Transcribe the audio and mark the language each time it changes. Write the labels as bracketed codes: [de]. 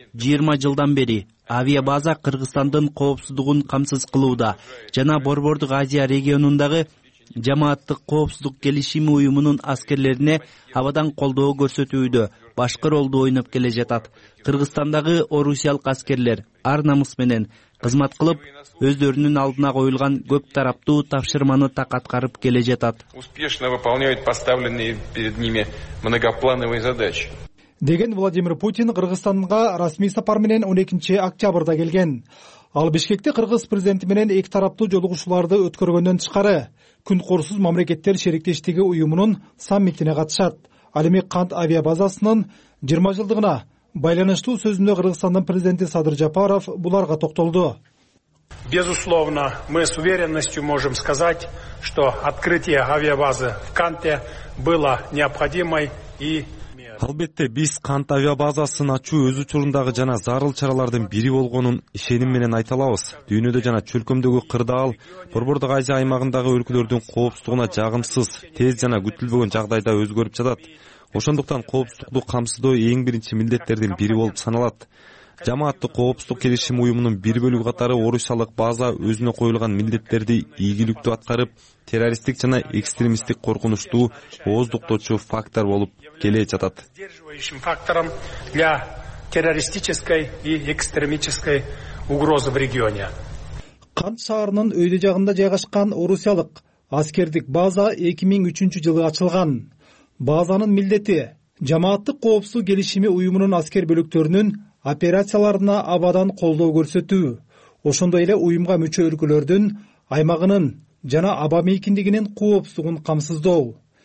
[ky] 20 жылдан бери авиабаза Кыргызстандын коопсуздугун камсыз кылууда жана Борбордук Азия региондагы Жамааттык коопсуздук келишими уюмунун аскерлерине абадан колдоо көрсөтүүдө башкы ролду ойноп келе жатат. Кыргызстандагы орусиялык аскерлер ар намыс менен кызмат кылып, өздөрүнүн алдына коюлган көп тараптуу тапшырманы так аткарып келе жатат. [ru] Успешно выполняют поставленные перед ними многоплановые задачи. [ky] Деген Владимир Путин Кыргызстанга расмий сапар менен 12 октябрда келген. Ал Бишкекте кыргыз президенти менен эки тараптуу жолугушууларды өткөргөндөн тышкары күн корусуз мамлекеттер шериктештиги уюмунун саммитине катышат. Ал эми Кант авиабазасынын 20 жылдыгына байланыштуу сөзүндө Кыргызстандын президенти Садыр Жапаров буларга токтолду. [ru] Безусловно, мы с уверенностью можем сказать, что открытие авиабазы в Канте было необходимой и [ky] Албетте, биз Кант авиабазасын ачуу өз учурундагы жана зарыл чаралардын бири болгонун ишеним менен айта алабыз. Дүйнөдө жана чөлкөмдөгү кырдаал Борбордук Азия аймагындагы өлкөлөрдүн коопсуздугуна жагымсыз, тез жана күтүлбөгөн жагдайда өзгөрүп жатат. Ошондуктан коопсуздукту камсыздоо эң биринчи милдеттердин бири болуп саналат. Жамааттык коопсуздук келишими уюмунун бир бөлүгү катары орусиялык база өзүнө коюлган милдеттерди ийгиликтүү аткарып, террористтик жана экстремисттик коркунучту ооздуктоочу фактор болуп келе жатат. [ru] Сдерживающим фактором для террористической и экстремистской угрозы в регионе. [ky] Кант шаарынын өйдө жагында жайгашкан орусиялык аскердик база 2003 жылы ачылган. Базанын милдети жамааттык коопсуздук келишими уюмунун аскер бөлүктөрүнүн операцияларына абадан колдоо көрсөтүү. Ошондой эле уюмга мүчө өлкөлөрдүн аймагынын жана аба мейкиндигинин коопсуздугун камсыздоо.